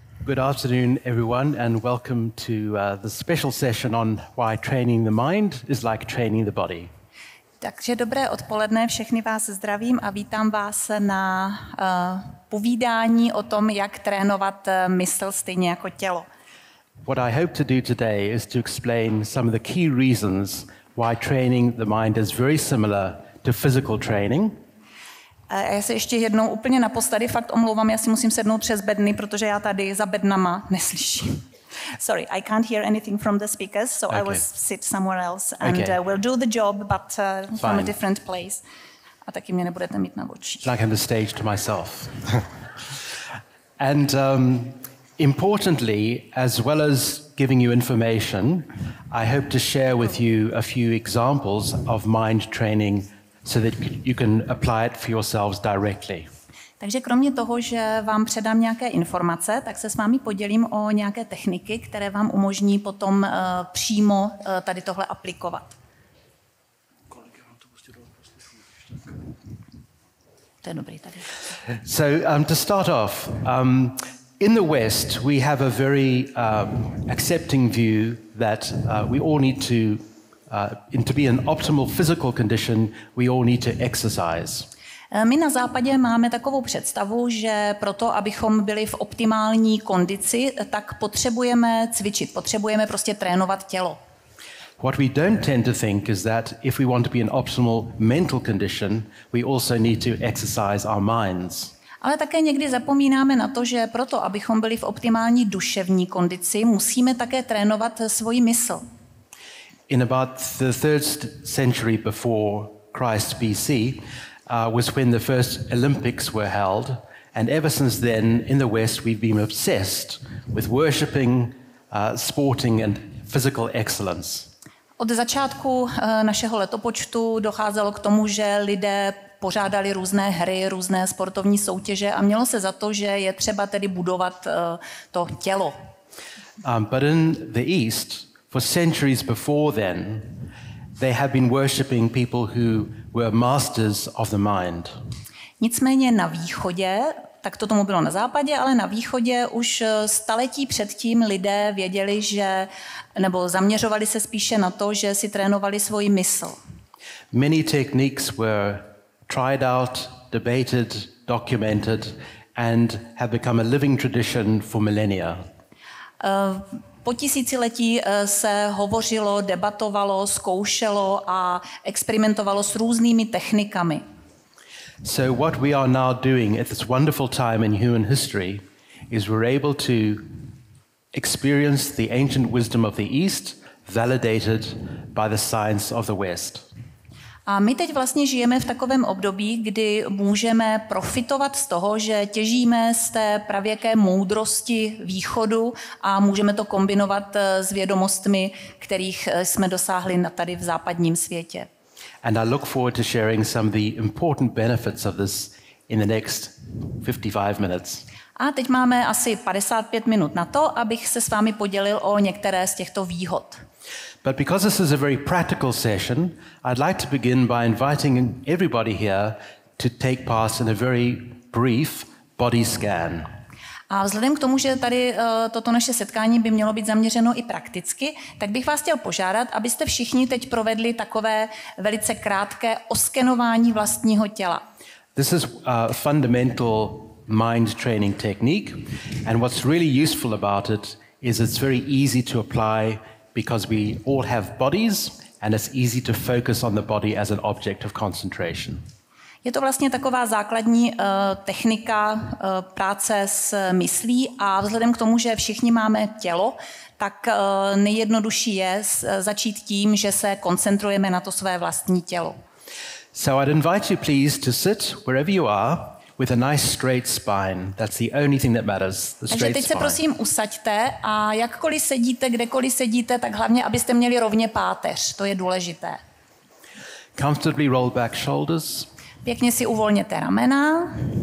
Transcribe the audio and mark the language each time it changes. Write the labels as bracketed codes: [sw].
[en] Good afternoon, everyone, and welcome to the special session on why training the mind is like training the body. [cs] Takže dobré odpoledne, všechny vás zdravím a vítám vás na povídání o tom, jak trénovat mysl stejně jako tělo. [en] What I hope to do today is to explain some of the key reasons why training the mind is very similar to physical training. [cs] A já se ještě jednou úplně naposledy fakt omlouvám, já si musím sednout přes bedny, protože já tady za bednama neslyším. [en] Sorry, I can't hear anything from the speakers, so okay. I will sit somewhere else and okay. We'll do the job, but from a different place. [cs] A taky mě nebudete mít na očích. [en] It's like on the stage to myself. And importantly, as well as giving you information, I hope to share with you a few examples of mind training so that you can apply it for yourselves directly. [cs] Takže kromě toho, že vám předám nějaké informace, tak se s vámi podělím o nějaké techniky, které vám umožní potom přímo tady tohle aplikovat. To je dobrý tady. [en] So to start off, in the West we have a very accepting view that we all need to to be in optimal physical condition, we all need to exercise. [cs] My na západě máme takovou představu, že proto, abychom byli v optimální kondici, tak potřebujeme cvičit, potřebujeme prostě trénovat tělo. [en] What we don't tend to think is that if we want to be in optimal mental condition, we also need to exercise our minds. [cs] Ale také někdy zapomínáme na to, že proto, abychom byli v optimální duševní kondici, musíme také trénovat svoji mysl. [en] In about the 3rd century before Christ BC, was when the first Olympics were held, and ever since then in the West we've been obsessed with worshiping, sporting and physical excellence. [cs] Od začátku našeho letopočtu docházelo k tomu, že lidé pořádali různé hry, různé sportovní soutěže a mělo se za to, že je třeba tedy budovat to tělo. [en] But in the East, for centuries before then, they have been worshiping people who were masters of the mind. [cs] Nicméně na východě, tak to tomu bylo na západě, ale na východě už staletí předtím lidé věděli, že nebo zaměřovali se spíše na to, že si trénovali svoji mysl. [en] Many techniques were tried out, debated, documented and have become a living tradition for millennia. [cs] Po tisíciletí se hovořilo, debatovalo, zkoušelo a experimentovalo s různými technikami. [en] So what we are now doing at this wonderful time in human history is we're able to experience the ancient wisdom of the East validated by the science of the West. [cs] A my teď vlastně žijeme v takovém období, kdy můžeme profitovat z toho, že těžíme z té pravěké moudrosti východu a můžeme to kombinovat s vědomostmi, kterých jsme dosáhli tady v západním světě. [en] And I look forward to sharing some of the important benefits of this in the next 55 minutes. [cs] A teď máme asi 55 minut na to, abych se s vámi podělil o některé z těchto výhod. [en] But because this is a very practical session, I'd like to begin by inviting everybody here to take part in a very brief body scan. [cs] A vzhledem k tomu, že tady toto naše setkání by mělo být zaměřeno i prakticky, tak bych vás chtěl požádat, abyste všichni teď provedli takové velice krátké oskenování vlastního těla. [en] This is a fundamental mind training technique, and what's really useful about it is it's very easy to apply because we all have bodies and it's easy to focus on the body as an object of concentration. [cs] Je to vlastně taková základní technika práce s myslí a vzhledem k tomu, že všichni máme tělo, tak nejjednodušší je začít tím, že se koncentrujeme na to své vlastní tělo. [en] So I'd invite you please to sit wherever you are with a nice straight spine. That's the only thing that matters, the straight spine. [cs] Takže teď se prosím usaďte a jakkoliv sedíte, kdekoliv sedíte, tak hlavně, abyste měli rovně páteř. To je důležité. [en] Comfortably roll back shoulders. [cs] Pěkně si uvolněte ramena.